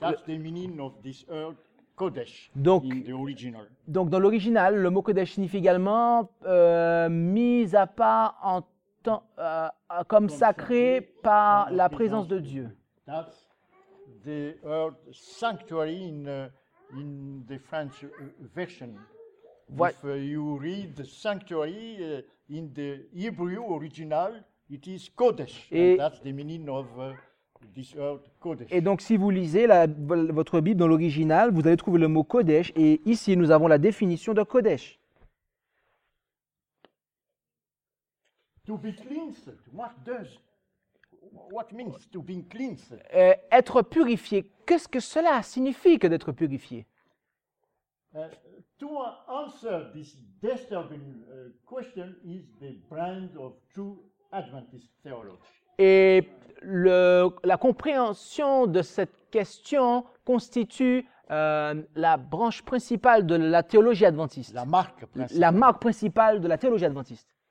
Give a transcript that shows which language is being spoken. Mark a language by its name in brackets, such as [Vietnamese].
[English] that's the meaning of this word kodesh in the original. [French] Donc, dans l'original, le mot kodesh signifie également mis à part en comme sacré par la présence de Dieu. [English] That's the word sanctuary in the French version. If you read sanctuary in the Hebrew original, it is kodesh. [French] Et [English] and that's the meaning of this word kodesh. [French] Et donc, si vous lisez votre Bible dans l'original, vous allez trouver le mot kodesh. Et ici, nous avons la définition de kodesh. [English] To be cleansed, what means to be cleansed? [French] Être purifié, qu'est-ce que cela signifie que d'être purifié? [English] To answer this disturbing question is the brand of true Adventist theology. [French] Et la compréhension de cette question constitue la branche principale de la théologie adventiste. La marque principale. La marque principale de la théologie adventiste.